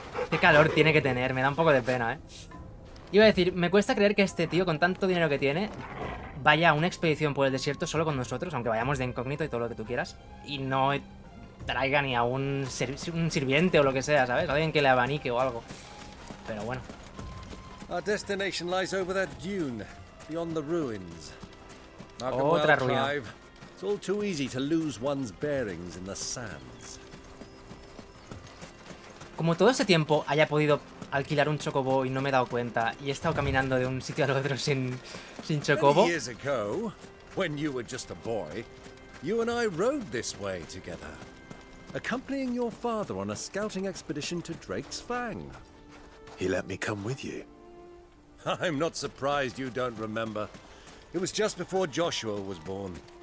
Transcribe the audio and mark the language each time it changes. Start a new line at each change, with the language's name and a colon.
Spanish: Qué calor tiene que tener, me da un poco de pena, eh. Iba a decir, me cuesta creer que este tío con tanto dinero que tiene vaya a una expedición por el desierto solo con nosotros, aunque vayamos de incógnito y todo lo que tú quieras. Y no traiga ni a un sirviente o lo que sea, ¿sabes? Alguien que le abanique o algo. Pero bueno.
English: Our destination lies over that dune, beyond the ruins.
Spanish: Otra ruina.
English: It's all too easy to lose one's bearings in the sands.
Spanish: Como todo ese tiempo haya podido alquilar un chocobo y no me he dado cuenta y he estado caminando de un sitio al otro sin chocobo.
English: Many years ago, when you were just a boy, you and I rode this way together, accompanying your father on a scouting expedition to Drake's Fang. He let me come with you. I'm not surprised you don't remember. It was just before Joshua was born.